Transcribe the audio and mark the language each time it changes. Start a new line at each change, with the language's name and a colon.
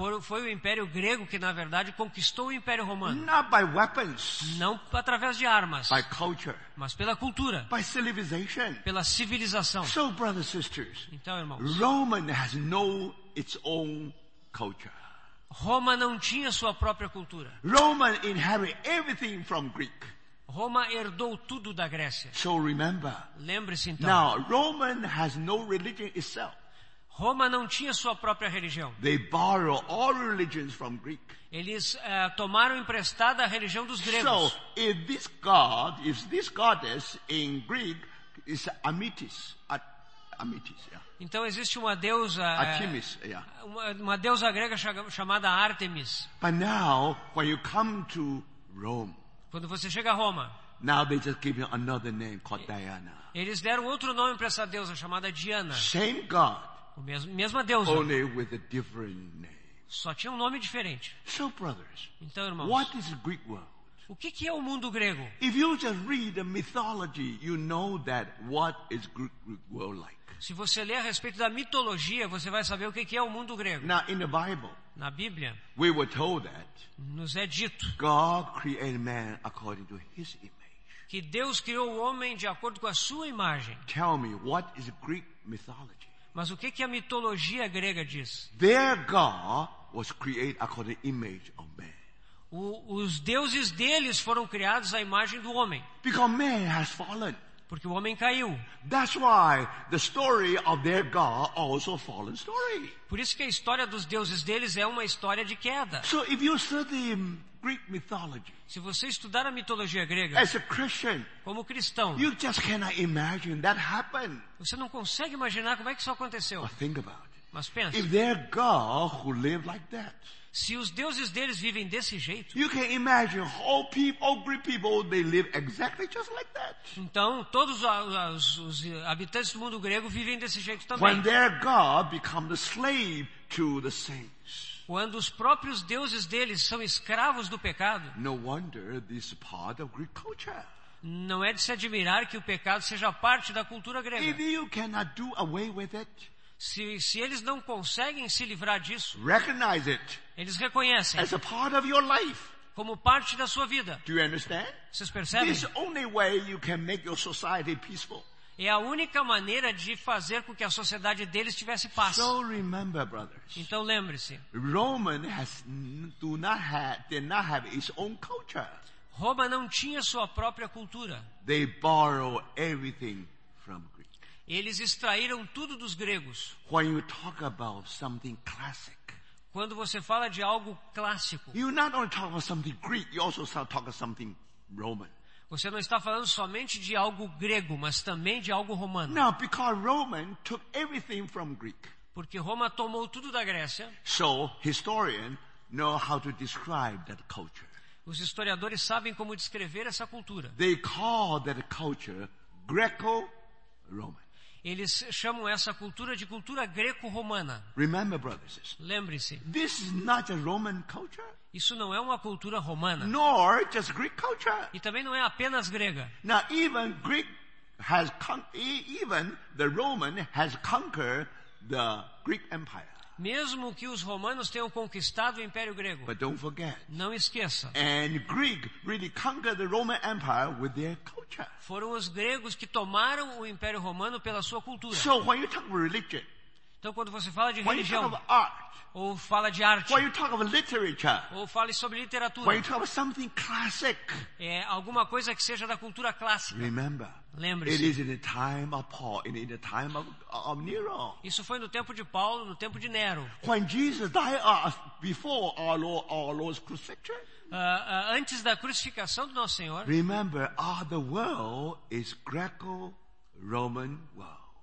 Portuguese: Foi o Império Grego que, na verdade, conquistou o Império Romano.
English: Not by weapons,
Portuguese: não através de armas,
English: by culture,
Portuguese: mas pela cultura,
English: by civilization,
Portuguese: pela civilização.
English: So, brothers and sisters,
Portuguese: então, irmãos,
English: Roman has no its own culture.
Portuguese: Roma não tinha sua própria cultura.
English: Roman inherited everything from Greek.
Portuguese: Roma herdou tudo da Grécia.
English: So remember,
Portuguese: lembre-se então.
English: Now, Roman has no religion itself.
Portuguese: Roma não tinha sua própria religião.
English: They borrow all religions from Greek.
Portuguese: Eles tomaram emprestada a religião dos gregos.
English: So, if this god, if this goddess in Greek is Amitis, Amitis, yeah.
Portuguese: Então existe uma deusa,
English: Artemis, yeah.
Portuguese: Uma deusa grega chamada Artemis.
English: But now, when you come to Rome,
Portuguese: quando você chega a Roma,
English: now they just give him another name called Diana.
Portuguese: Eles deram outro nome para essa deusa chamada Diana.
English: Same God,
Portuguese: o mesma deusa,
English: only with a different name.
Portuguese: Só tinha um nome diferente.
English: So brothers,
Portuguese: então irmãos,
English: what is the Greek world?
Portuguese: O que que é o mundo grego?
English: If you just read the mythology, you know that what is Greek world like.
Portuguese: Se você ler a respeito da mitologia, você vai saber o que que é o mundo grego.
English: Now in the Bible,
Portuguese: na Bíblia,
English: we were told that
Portuguese: nos é dito,
English: God created man according to his image.
Portuguese: Que Deus criou o homem de acordo com a sua imagem.
English: Tell me, what is Greek mythology?
Portuguese: Mas o que que a mitologia grega diz?
English: Their God was created according to the image of man.
Portuguese: Os deuses deles foram criados à imagem do homem.
English: Because man has fallen.
Portuguese: Porque o homem caiu.
English: That's why the story of their God also fallen story.
Portuguese: Por isso que a história dos deuses deles é uma história de queda.
English: So if you study Greek mythology,
Portuguese: se você estudar a mitologia grega,
English: as a Christian,
Portuguese: como cristão,
English: you just cannot imagine that happened.
Portuguese: Você não consegue imaginar como é que isso aconteceu.
English: But think about it.
Portuguese: Mas pense.
English: If their God who lived like that,
Portuguese: se os deuses deles vivem desse jeito,
English: you can imagine all people, all Greek people, they live exactly just like that.
Portuguese: Então, todos os habitantes do mundo grego vivem desse jeito também.
English: When their God become the slave to the saints.
Portuguese: Quando os próprios deuses deles são escravos do pecado.
English: No wonder this part of Greek culture.
Portuguese: Não é de se admirar que o pecado seja parte da cultura grega.
English: If you cannot do away with it,
Portuguese: se eles não conseguem se livrar disso,
English: recognize it,
Portuguese: eles reconhecem
English: as a part of your life,
Portuguese: como parte da sua vida.
English: Do you understand?
Portuguese: Vocês percebem?
English: This is the only way you can make your society peaceful.
Portuguese: É a única maneira de fazer com que a sociedade deles tivesse paz.
English: So remember, brothers,
Portuguese: então lembre-se,
English: Roman has, do not have, did not have its own culture.
Portuguese: Roma não tinha sua própria cultura.
English: They borrow everything from Greek.
Portuguese: Eles extraíram tudo dos gregos.
English: When you talk about something classic,
Portuguese: quando você fala de algo clássico,
English: you not only talk about something Greek, you also start talking something Roman.
Portuguese: Você não está falando somente de algo grego, mas também de algo romano.
English: Now, because Roman took everything from Greek,
Portuguese: porque Roma tomou tudo da Grécia.
English: So historians know how to describe that culture.
Portuguese: Os historiadores sabem como descrever essa cultura.
English: They call that culture Greco-Roman.
Portuguese: Eles chamam essa cultura de cultura greco-romana.
English: Remember, brothers,
Portuguese: lembre-se.
English: This is not a Roman culture.
Portuguese: Isso não é uma cultura romana.
English: Nor just Greek culture.
Portuguese: E também não é apenas grega.
English: Now, even Greek has even the Roman has conquered the Greek Empire.
Portuguese: Mesmo que os romanos tenham conquistado o Império Grego.
English: But don't forget.
Portuguese: Não esqueça.
English: And Greek really conquered the Roman Empire with their culture.
Portuguese: Foram os gregos que tomaram o Império Romano pela sua cultura.
English: So when you talk about religion,
Portuguese: então quando você fala de
English: when
Portuguese: religião,
English: you talk about art,
Portuguese: ou fala de arte,
English: when you talk about literature,
Portuguese: ou fala sobre literatura,
English: when you talk about something classic,
Portuguese: é alguma coisa que seja da cultura clássica.
English: Remember,
Portuguese: lembre-se.
English: It is in the time of Paul, in the time of Nero.
Portuguese: Isso foi no tempo de Paulo, no tempo de Nero.
English: When Jesus died before our Lord's crucifixion.
Portuguese: Antes da crucificação do nosso Senhor.
English: Remember, the world is Greco-Roman world.